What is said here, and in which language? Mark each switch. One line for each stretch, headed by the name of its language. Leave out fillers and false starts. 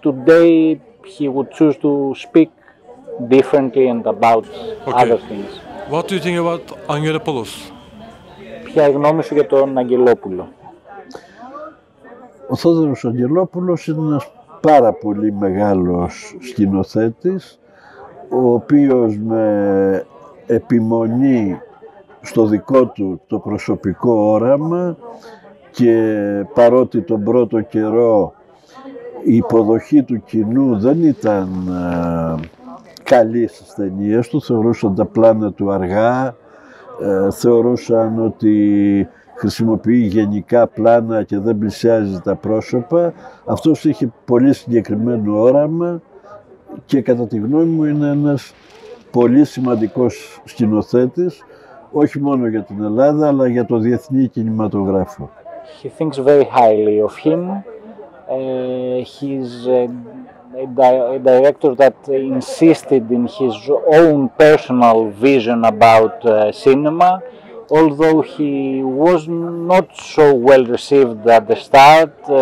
English: Today he would choose to speak differently and about okay. other things. What do you think about Angelopoulos?
Greek: Ποια η γνώμη σου για τον Αγγελόπουλο? Ο Θόδωρος Αγγελόπουλος είναι ένας πάρα πολύ μεγάλος σκηνοθέτης, ο οποίος με επιμονή στο δικό του το προσωπικό όραμα και παρότι τον πρώτο καιρό η υποδοχή του κοινού δεν ήταν καλή στις ταινίες του, θεωρούσαν τα πλάνα του αργά, θεωρούσαν ότι χρησιμοποιεί γενικά πλάνα και δεν πλησιάζει τα πρόσωπα. Αυτός είχε πολύ συγκεκριμένο όραμα και κατά τη γνώμη μου είναι ένας πολύ σημαντικός σκηνοθέτης, όχι μόνο για την Ελλάδα, αλλά για το διεθνή κινηματογράφο.
English: He thinks very highly of him. He's a director that insisted in his own personal vision about cinema, although he was not so well received at the start.